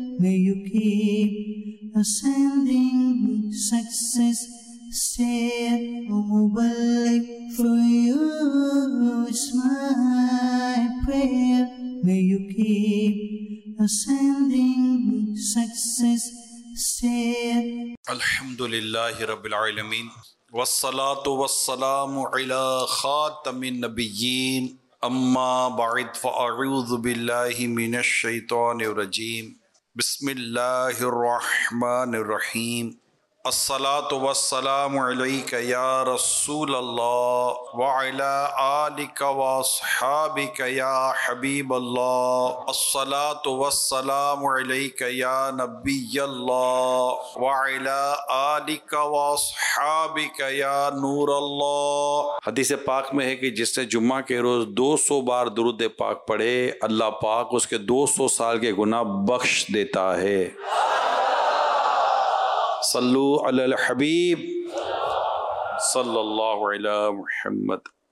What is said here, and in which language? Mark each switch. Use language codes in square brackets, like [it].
[en] May you keep ascending success. Say, Mubarak for you, it's my prayer. May you keep ascending success. Say, [ar] Alhamdulillah, Rabbil Alameen. والصلاة والسلام على خاتم النبيين أما بعد فأعوذ بالله من الشيطان الرجيم بسم الله الرحمن الرحيم الصلاة والسلام عليك يا رسول الله وعلى آلك وأصحابك يا حبيب الله الصلاة والسلام عليك يا نبي الله وعلى آلك وأصحابك يا نور الله. [ur] حدیث پاک میں ہے کہ جس نے جمعہ کے روز 200 بار درود پاک پڑھے اللہ پاک اس کے 200 سال کے گناہ بخش دیتا ہے. صلو علی الحبیب صلی اللہ علی محمد.